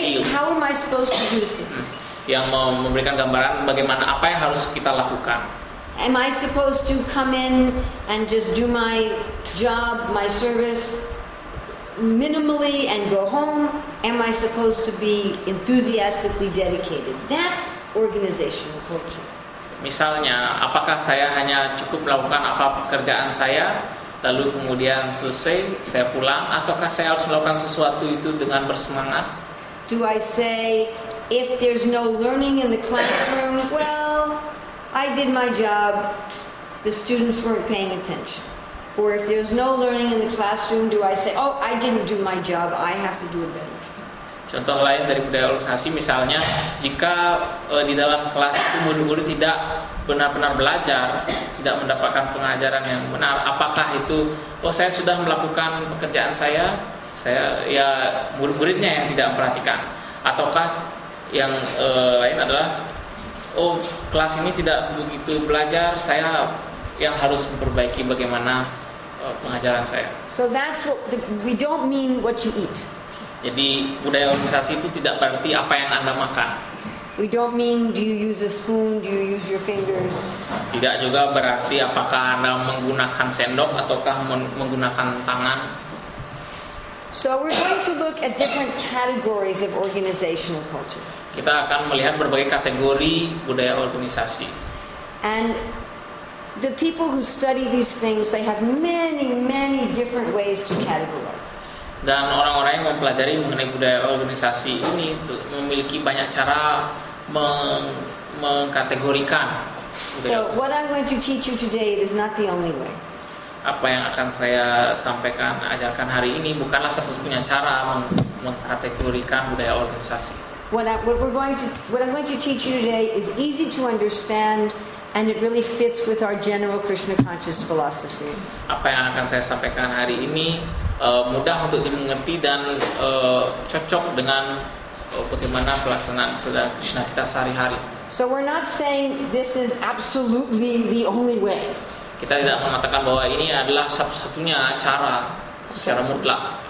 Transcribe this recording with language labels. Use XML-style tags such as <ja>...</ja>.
<en>how am I supposed to do things?</en> <id>Yang memberikan gambaran bagaimana apa yang harus kita lakukan.</id> <en>Am I supposed to come in and just do my job, my service minimally and go home? Am I supposed to be enthusiastically dedicated? That's organizational culture.</en> <id>Misalnya, apakah saya hanya cukup melakukan apa pekerjaan saya lalu kemudian selesai, saya pulang, ataukah saya harus melakukan sesuatu itu dengan bersemangat?</id> <en>Do I say if there's no learning in the classroom, well, I did my job, the students weren't paying attention? Or if there's no learning in the classroom, do I say, oh, I didn't do my job, I have to do a better job?</en> <id>Contoh lain dari budaya organisasi, misalnya jika di dalam kelas itu murid-murid tidak benar-benar belajar, tidak mendapatkan pengajaran yang benar, apakah itu, oh, saya sudah melakukan pekerjaan saya ya murid-muridnya yang tidak memperhatikan, ataukah yang lain adalah, oh, kelas ini tidak begitu belajar, saya yang harus memperbaiki bagaimana pengajaran saya.</id> <en>So that's what we don't mean what you eat.</en> <id>Jadi budaya organisasi itu tidak berarti apa yang Anda makan.</id> <en>We don't mean do you use a spoon, do you use your fingers.</en> <id>Tidak juga berarti apakah Anda menggunakan sendok ataukah menggunakan tangan.</id> <en>So we're going to look at different categories of organizational culture.</en> <id>Kita akan melihat berbagai kategori budaya organisasi.</id> <en>And the people who study these things, they have many, many different ways to categorize.</en> <id>Dan orang-orang yang mempelajari mengenai budaya organisasi ini memiliki banyak cara mengkategorikan.</id> <en>So what I'm going to teach you today is not the only way.</en> <id>Apa yang akan saya sampaikan, ajarkan hari ini bukanlah satu-satunya cara mengkategorikan budaya organisasi.</id> <en>What I'm going to teach you today is easy to understand and it really fits with our general Krishna conscious philosophy.</en> <id>Apa yang akan saya sampaikan hari ini mudah untuk dimengerti dan cocok dengan bagaimana pelaksanaan saudara Krishna kita sehari-hari.</id> <en>So we're not saying this is absolutely the only way.</en> <id>Kita tidak mengatakan bahwa ini adalah satu-satunya cara secara mutlak.</id>